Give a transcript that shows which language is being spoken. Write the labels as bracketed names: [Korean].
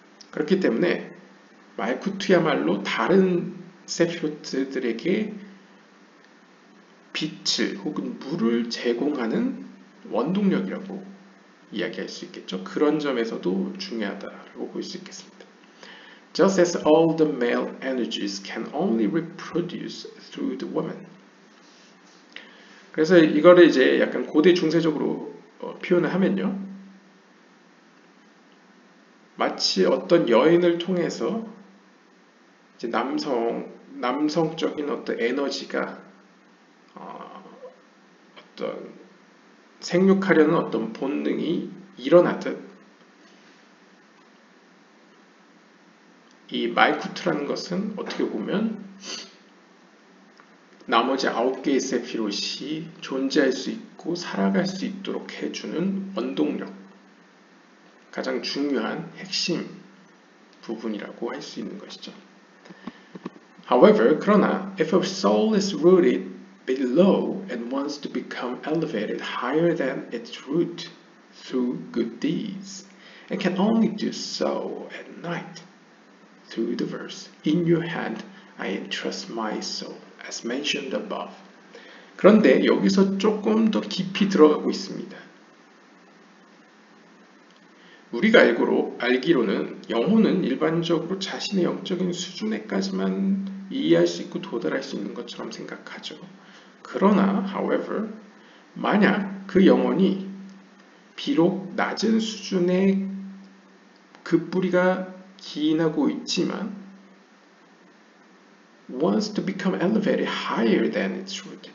[Korean] 그렇기 때문에 말쿠트야말로 다른 세피로트들에게 빛을 혹은 물을 제공하는 원동력이라고 이야기할 수 있겠죠. 그런 점에서도 중요하다고 볼수 있겠습니다. [English] Just as all the male energies can only reproduce through the woman. [Korean] 그래서 이거를 이제 약간 고대 중세적으로 표현을 하면요. 마치 어떤 여인을 통해서 이제 남성적인 어떤 에너지가 어떤 생육하려는 어떤 본능이 일어나듯 이 말쿠트라는 것은 어떻게 보면 나머지 9개의 세피롯이 존재할 수 있고 살아갈 수 있도록 해주는 원동력, 가장 중요한 핵심 부분이라고 할수 있는 것이죠. [English] However, [Korean] 그러나 [English] if a soul is rooted below and wants to become elevated higher than its root through good deeds, it can only do so at night. Through the verse, in your hand I entrust my soul, as mentioned above. [Korean] 그런데 여기서 조금 더 깊이 들어가고 있습니다. 우리가 알기로는 영혼은 일반적으로 자신의 영적인 수준에까지만 이해할 수 있고 도달할 수 있는 것처럼 생각하죠. 그러나, [English] however, [Korean] 만약 그 영혼이 비록 낮은 수준의 그 뿌리가 기인하고 있지만 [English] wants to become elevated higher than its root.